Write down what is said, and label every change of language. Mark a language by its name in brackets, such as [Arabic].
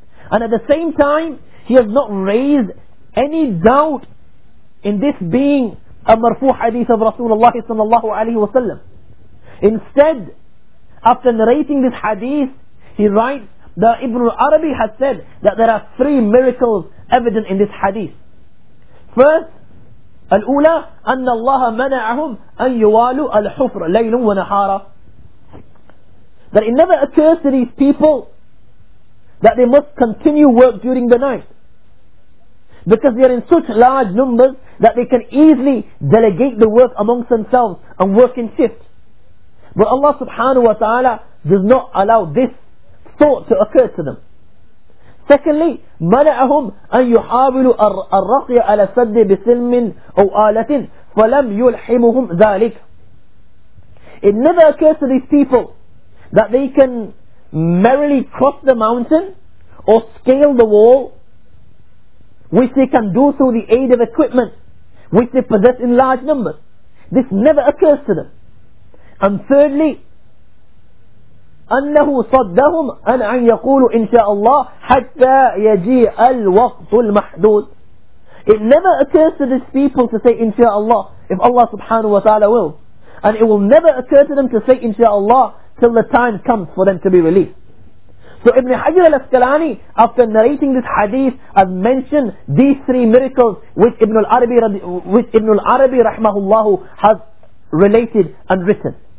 [English] And at the same time, he has not raised any doubt in this being a marfu hadith of Rasulullah sallallahu alayhi wa sallam. Instead, after narrating this hadith, he writes that Ibn al-Arabi has said that there are three miracles evident in this hadith. [Arabic] First, الأولى أن الله منعهم أن يوالوا الحفر ليل ونهارا. [English] That it never occurs to these people that they must continue work during the night, because they are in such large numbers that they can easily delegate the work amongst themselves and work in shift. But Allah subhanahu wa ta'ala does not allow this thought to occur to them. [Arabic] Secondly, منعهم أن يحاولوا الرقي على سد بسلم أو آلة فلم يلحمهم ذلك. [English] It never occurs to these people that they can merrily cross the mountain or scale the wall, which they can do through the aid of equipment which they possess in large numbers. This never occurs to them. And thirdly, [Arabic] أنه صدهم أن يقولوا إن شاء الله حتى يجيء الوقت المحدود. [English] It never occurs to these people to say inshaAllah if Allah subhanahu wa ta'ala will. And it will never occur to them to say inshaAllah till the time comes for them to be released. So Ibn Hajr al-Asqalani, after narrating this hadith, has mentioned these three miracles which Ibn al-Arabi rahmahullahu has related and written.